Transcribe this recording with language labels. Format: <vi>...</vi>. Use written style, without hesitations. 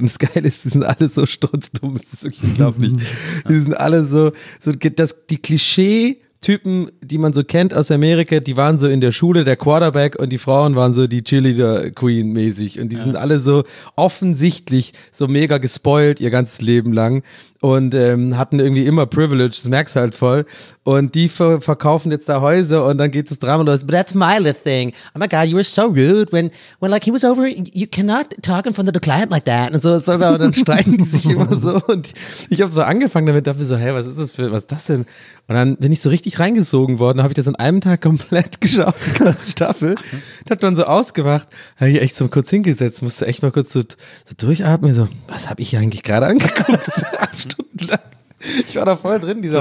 <de>Und das Geile ist, die sind alle so strunzdumm, das ist wirklich unglaublich. Die sind alle so das, die Klischee, Typen, die man so kennt aus Amerika, die waren so in der Schule der Quarterback und die Frauen waren so die Cheerleader-Queen mäßig und die sind alle so offensichtlich so mega gespoilt ihr ganzes Leben lang und hatten irgendwie immer Privilege, das merkst du halt voll und die verkaufen jetzt da Häuser und dann geht das Drama los.</de> <en>But that's my little thing. Oh my God, you were so rude when like he was over, you cannot talk in front of the client like that.</en> <de>Und so, und dann streiten die sich immer so und ich habe so angefangen damit, dachte mir so, hey, was ist das denn? Und dann bin ich so richtig reingesogen worden, habe ich das an einem Tag komplett geschaut, die ganze Staffel. Und hab dann so ausgemacht, habe ich echt so kurz hingesetzt, musste echt mal kurz so durchatmen, so, was habe ich hier eigentlich gerade angeguckt? 8 Stunden lang. Ich war da voll drin, dieser</de>